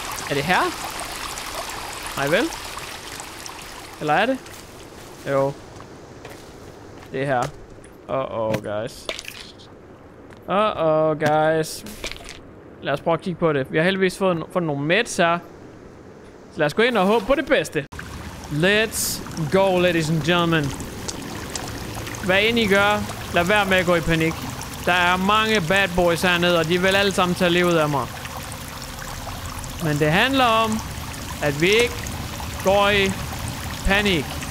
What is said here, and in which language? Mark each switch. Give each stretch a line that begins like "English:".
Danish: Er det her? Nej, vel? Eller er det? Jo. Det er her.
English: Uh-oh, guys. Uh-oh, guys.
Danish: Lad os prøve at kigge på det. Vi har heldigvis fået nogle meds her. Så lad os gå ind og håbe på det bedste.
English: Let's go, ladies and gentlemen.
Danish: Hvad end I gør, lad være med at gå i panik. Der er mange bad boys hernede, og de vil alle sammen tage livet af mig. Men det handler om, at vi ikke går i panik.